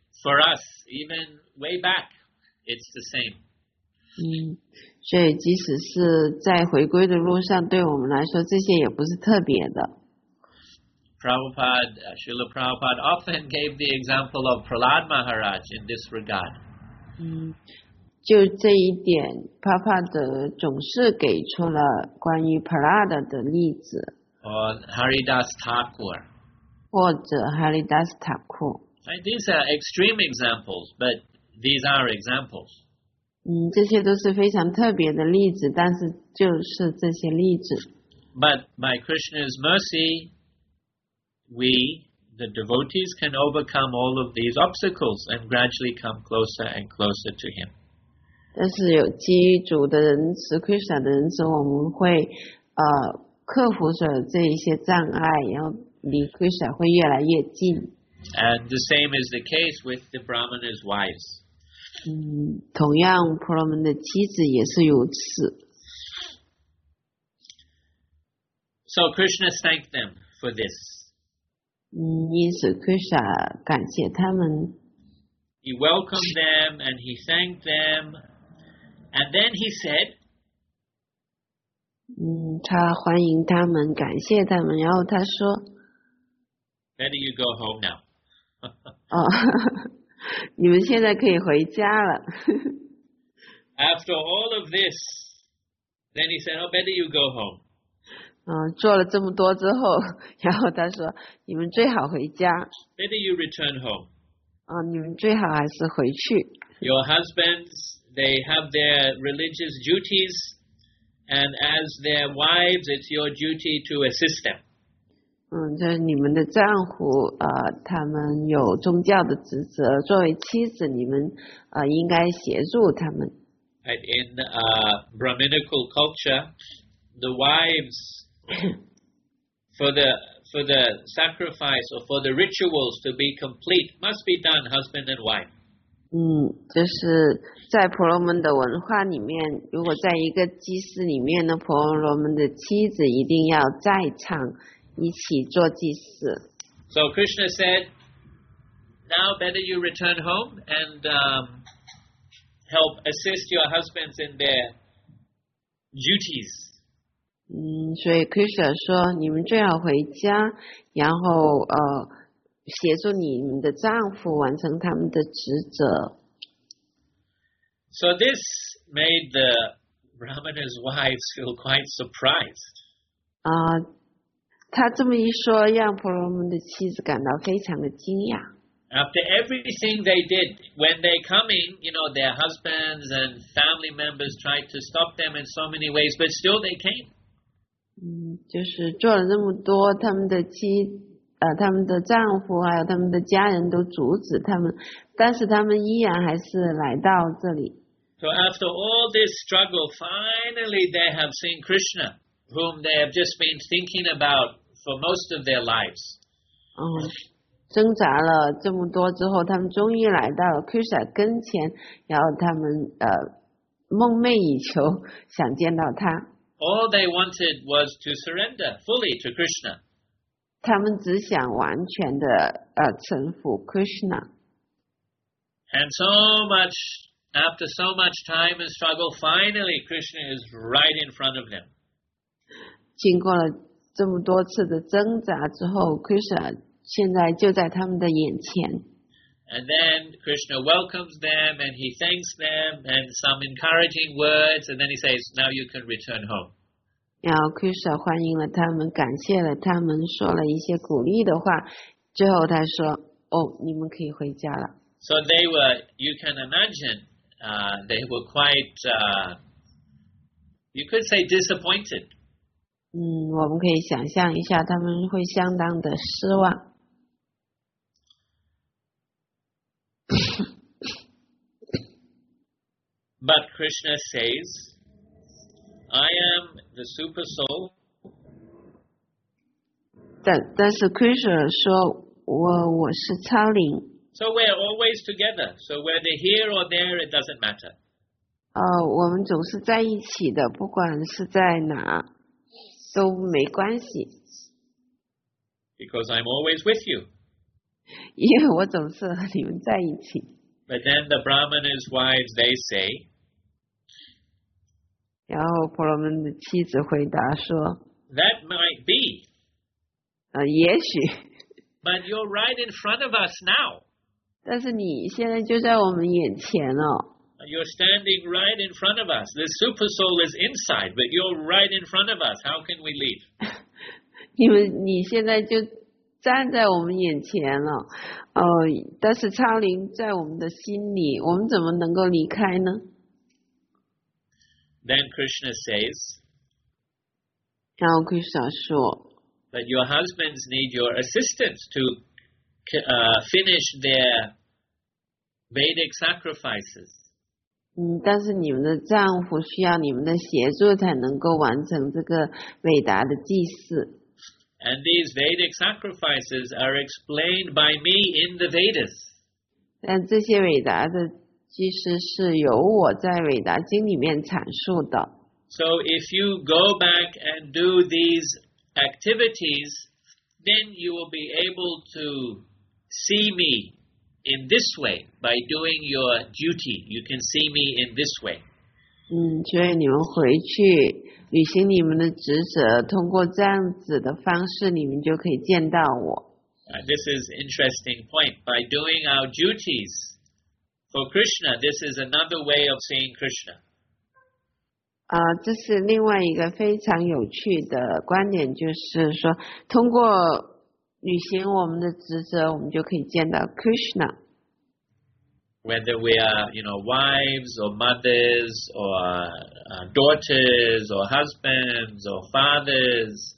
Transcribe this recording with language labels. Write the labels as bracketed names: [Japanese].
[English] For us, even way back, it's the same. [Chinese] 所以即使是在回归的路上，对我们来说，这些也不是特别的。 [English] Prabhupada, Srila Prabhupada often gave the example of Prahlad Maharaj in this regard. [Chinese] 就这一点，Prabhupada总是给出了关于 Prahlad 的例子。 [English] Or Haridas Thakur. [Chinese] 或者 Haridas Thakur. [English] And、these are extreme examples, but these are examples. [Chinese] 这些都是非常特别的例子，但是就是这些例子。 [English] But by Krishna's mercy, we, the devotees, can overcome all of these obstacles and gradually come closer and closer to Him. [Chinese] 但是有基于主的仁慈、Krishna 的仁慈，我们会克服所有这一些障碍，然后离 Krishna 会越来越近。 [English] And the same is the case with the Brahmana's wives. [Chinese] 同样婆罗门的妻子也是如此。 [English] So Krishna thanked them for this. [Chinese] 因此 Krishna 感谢他们。 [English] He welcomed them and he thanked them. And then he said, [Chinese] 他欢迎他们，感谢他们，然后他说 [English] Better you go home now. [Chinese] 你们现在可以回家了。 [English] After all of this, then he said, "Oh, better you go home." [Chinese] 做了这么多之后，然后他说，你们最好回家。 [English] Better you return home. [Chinese] 你们最好还是回去。 [English] Your husbands, they have their religious duties, and as their wives, it's your duty to assist them. [Chinese] 就是你们的丈夫他们有宗教的职责，作为妻子你们应该协助他们。 [English] And in Brahminical culture, the wives for the sacrifice or for the rituals to be complete must be done husband and wife. [Chinese] 就是在婆罗门的文化里面，如果在一个祭祀里面呢，婆罗门的妻子一定要在场一起做祭祀。 [English] So Krishna said, "Now better you return home and help assist your husbands in their duties." [Chinese] 所以 Krishna 说，你们最好回家，然后协助你们的丈夫完成他们的职责。 [English] So this made the Brahmana's wives feel quite surprised. [Chinese] 他这么一说，让婆罗门的妻子感到非常的惊讶。 [English] After everything they did, when they coming, you know, their husbands and family members tried to stop them in so many ways, but still they came. [Chinese] 就是做了这么多，他们的妻，他们的丈夫还有他们的家人都阻止他们，但是他们依然还是来到这里。 [English] So after all this struggle, finally they have seen Krishna. Whom they have just been thinking about for most of their lives. [Chinese] 挣扎了这么多之后，他们终于来到了 Krishna 跟前，然后他们梦寐以求想见到他。 [English] All they wanted was to surrender fully to Krishna. [Chinese] 他们只想完全的臣服 Krishna. [English] And so much after so much time and struggle, finally Krishna is right in front of them. [Chinese] 经过了这么多次的挣扎之后 ，Krishna 现在就在他们的眼前。 [English] And then Krishna welcomes them and he thanks them and some encouraging words and then he says, "Now you can return home." [Chinese] 然后 Krishna 欢迎了他们，感谢了他们，说了一些鼓励的话。最后他说：“哦，你们可以回家了。” [English] So they were, you can imagine, they were quite, you could say disappointed. [Chinese] 嗯，我们可以想象一下，他们会相当的失望。 [English] But Krishna says, I am the super soul. [Chinese] 但是 Krishna 说我是超灵。 [English] So we're always together. So whether here or there, it doesn't matter. [Chinese] 我们总是在一起的，不管是在哪都没关系。 [English] Because I'm always with you. [Chinese] 因为我总是和你们在一起。 [English] But then the Brahmana's wives, they say, [Chinese] 然后婆罗门的妻子回答说 [English] That might be. [Chinese] 也许。 [English] But you're right in front of us now. [Chinese] 但是你现在就在我们眼前哦。 [English] You're standing right in front of us. The super soul is inside, but you're right in front of us. How can we leave? [Chinese] 你现在就站在我们眼前了。但是超灵在我们的心里，我们怎么能够离开呢？ [English] Then Krishna says, [Chinese] 然后 Krishna 说, [English] But your husbands need your assistance to finish their Vedic sacrifices. [Chinese] 但是你们的丈夫需要你们的协助才能够完成这个伟大的祭祀。 [English] And these Vedic sacrifices are explained by me in the Vedas. [Chinese] 但这些伟大的祭祀是由我在伟大经里面阐述的。 [English] So if you go back and do these activities, then you will be able to see me. In this way, by doing your duty, you can see me in this way. [Chinese] 所以你们回去履行你们的职责，通过这样子的方式，你们就可以见到我。 [English] This is an interesting point. By doing our duties for Krishna, this is another way of seeing Krishna. [Chinese] 这是另外一个非常有趣的观点，就是说通过。履行我们的职责，我们就可以见到 Krishna. [English] Whether we are, you know, wives or mothers or daughters or husbands or fathers,